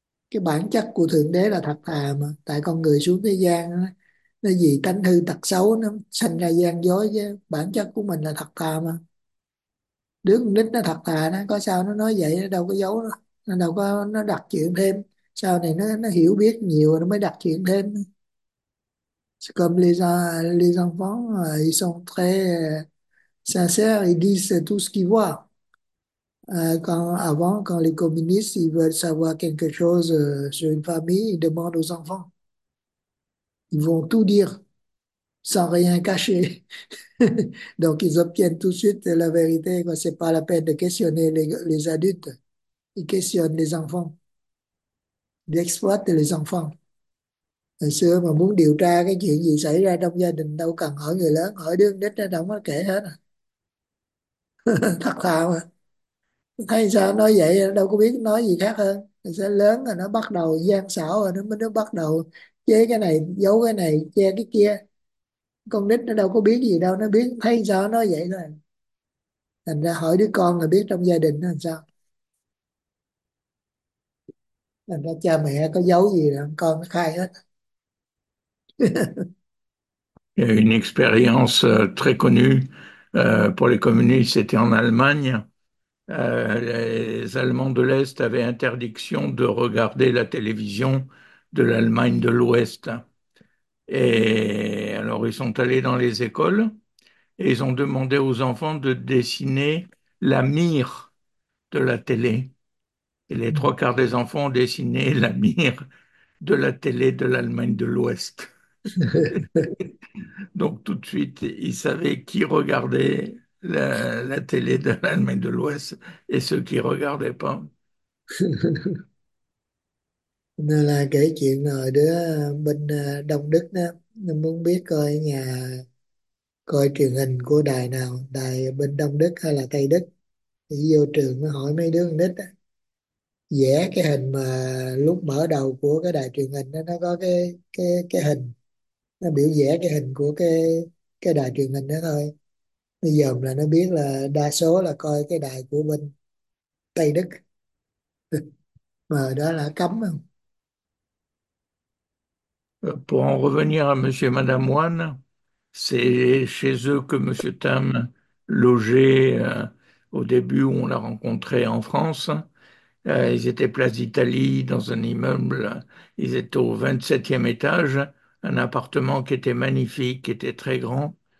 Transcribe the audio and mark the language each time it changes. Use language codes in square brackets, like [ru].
[vi] Cái bản chất của thượng đế là thật thà mà, tại con người xuống thế gian nó gì tánh hư tật xấu, nó sanh ra gian dối, chứ bản chất của mình là thật thà mà. Đứa con nít nó thật thà, nó có sao nó nói vậy, nó đâu có giấu, nó đâu có, nó đặt chuyện thêm. Sau này nó hiểu biết nhiều nó mới đặt chuyện thêm. [fr] Comme les enfants, ils sont très sincères, ils disent tout ce qu'ils voient. Avant, quand les communistes, ils veulent savoir quelque chose sur une famille, ils demandent aux enfants. Ils vont tout dire, sans rien cacher. Donc, ils obtiennent tout de suite la vérité. Ce n'est pas la peine de questionner les adultes. Ils questionnent les enfants. D'exploiter les enfants. [vi] Hồi xưa mà muốn điều tra cái chuyện gì xảy ra trong gia đình đâu cần hỏi người lớn, hỏi đứa con nít nó đâu có kể hết à. Thật thà mà. Hay sao nói vậy, đâu có biết nói gì khác hơn. Mình sẽ lớn rồi nó bắt đầu gian xảo rồi, nó bắt đầu chế cái này, giấu cái này, che cái kia. Con nít nó đâu có biết gì đâu, nó biết thấy sao nói vậy thôi. Thành ra hỏi đứa con là biết trong gia đình nó làm sao. Thành ra cha mẹ có giấu gì đâu, con nó khai hết. [fr] Une expérience très connue pour les communistes, c'était en Allemagne. Les Allemands de l'Est avaient interdiction de regarder la télévision de l'Allemagne de l'Ouest. Et alors, ils sont allés dans les écoles et ils ont demandé aux enfants de dessiner la mire de la télé. Et les trois quarts des enfants ont dessiné la mire de la télé de l'Allemagne de l'Ouest. Donc tout de suite, ils savaient qui regardait la télé de l'Allemagne de l'Ouest et ceux qui regardaient pas. [vi] Nên là kể chuyện rồi đứa bên Đông Đức đó, nó muốn biết coi nhà coi truyền hình của đài nào, đài bên Đông Đức hay là Tây Đức, thì vô trường nó hỏi mấy đứa con nít đó, vẽ cái hình mà lúc mở đầu của cái đài truyền hình đó, nó có cái hình nó biểu vẽ cái hình của cái đài truyền hình đó thôi. Bây giờ là nó biết là đa số là coi cái đài của bên Tây Đức mà đó là cấm không. [fr] Pour en revenir à Monsieur et Madame Moine, c'est chez eux que Monsieur Tam logeait au début où on l'a rencontré en France. Ils étaient place d'Italie dans un immeuble. Ils étaient au 27e étage, un appartement qui était magnifique, qui était très grand.